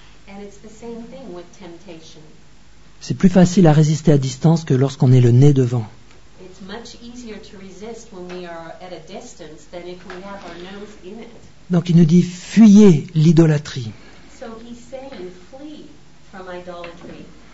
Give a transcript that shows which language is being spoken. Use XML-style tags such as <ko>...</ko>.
<en>And it's the same thing with temptation.</en> <fr>C'est plus facile à résister à distance que lorsqu'on est le nez devant.</fr> <en>It's much easier to resist when we are at a distance than if we have our nose in it.</en> <fr>Donc il nous dit, fuyez l'idolâtrie.</fr> <en>So he's saying, flee from idolatry.</en>